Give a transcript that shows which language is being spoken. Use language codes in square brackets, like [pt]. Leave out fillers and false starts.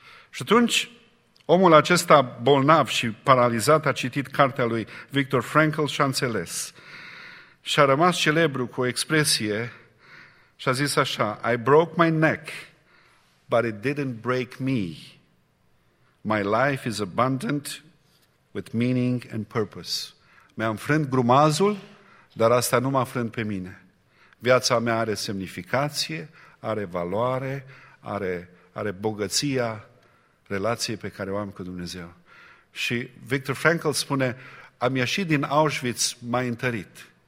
[ro] Și atunci, omul acesta bolnav și paralizat a citit cartea lui Viktor Frankl și a înțeles. Și a rămas celebru cu o expresie și a zis așa, [en] I broke my neck, but it didn't break me. My life is abundant with meaning and purpose. [ro] Mi-am frânt grumazul, dar asta nu m-a frânt pe mine. Viața mea are semnificație, are valoare, are bogăția relației pe care o am cu Dumnezeu. Și Viktor Frankl spune, am ieșit din Auschwitz mai întărit.